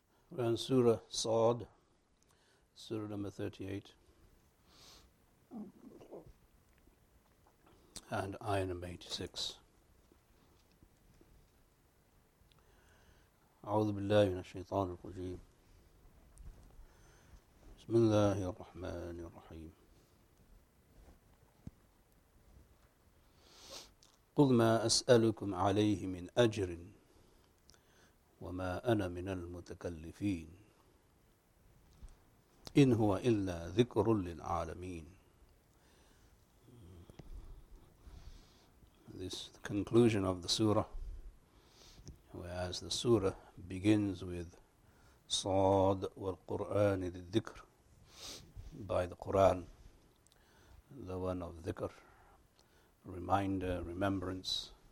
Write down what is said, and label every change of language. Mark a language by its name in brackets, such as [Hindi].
[English] We're in Surah Sad, Surah number 38, and Ayah number 86. [Arabic] أعوذ بالله من الشيطان الرجيم بسم الله الرحمن الرحيم قل ما أسألكم عليه من أجر وما أنا من المتكلفين إن هو إلا ذكر للعالمين. [English] This the conclusion of the surah, whereas the surah begins with Sad wal Qur'an al-Dhikr, by the Qur'an, the one of dhikr, reminder, remembrance.